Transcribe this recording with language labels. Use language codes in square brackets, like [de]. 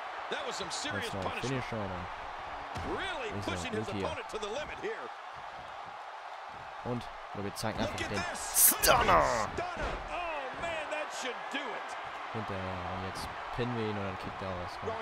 [de] Das war ein Finisher, Mann. [en] Really pushing his opponent to the limit here. [de] Und wir zeigen einfach den Stunner. [en] Oh man, that should do it. [de] Hinterher und jetzt pinnen wir ihn und dann kickt er aus.